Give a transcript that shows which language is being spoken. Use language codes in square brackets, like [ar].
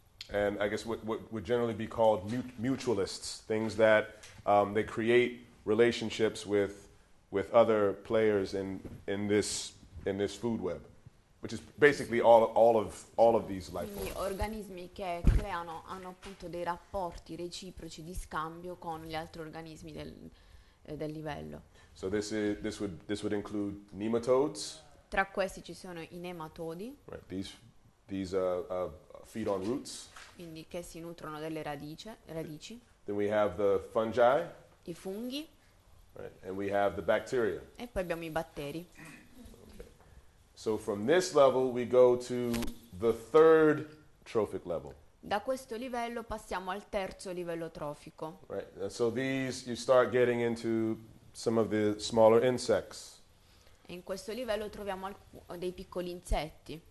[en] And I guess what would generally be called mutualists, things that they create relationships with other players in this food web, which is basically all of these life forms. [it] Gli organismi che creano hanno appunto dei rapporti reciproci di scambio con gli altri organismi del livello. [en] So this would include nematodes. [it] Tra questi ci sono i nematodi. [en] Right. These feed on roots. [it] Quindi che si nutrono delle radici. [en] Then we have the fungi. [it] I funghi. [en] Right. And we have the bacteria. [it] E poi abbiamo i batteri. [en] Okay. So from this level we go to the third trophic level. [it] Da questo livello passiamo al terzo livello trofico. [en] Right. So these you start getting into some of the smaller insects. [it] E in questo livello troviamo dei piccoli insetti.